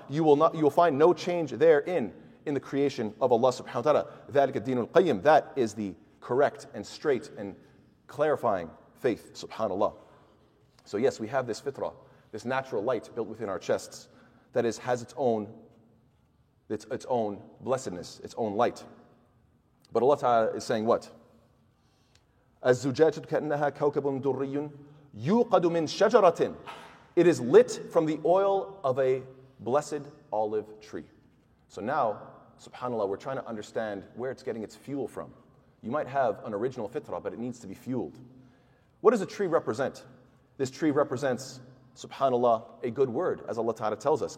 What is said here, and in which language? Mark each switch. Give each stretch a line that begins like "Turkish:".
English: You will find no change therein. In the creation of Allah subhanahu wa ta'ala,
Arabic: ذَلِكَ الدِّينُ الْقَيِّمُ,
English: that is the correct and straight and clarifying faith, subhanAllah. So yes, we have this fitrah, this natural light built within our chests, that is has its own blessedness, its own light. But Allah Ta'ala is saying what?
Arabic: الزجاجة كأنها كوكب دري يوقد من شجرة.
English: It is lit from the oil of a blessed olive tree. So now, subhanAllah, we're trying to understand where it's getting its fuel from. You might have an original fitrah, but it needs to be fueled. What does a tree represent? This tree represents, subhanAllah, a good word, as Allah Ta'ala tells us.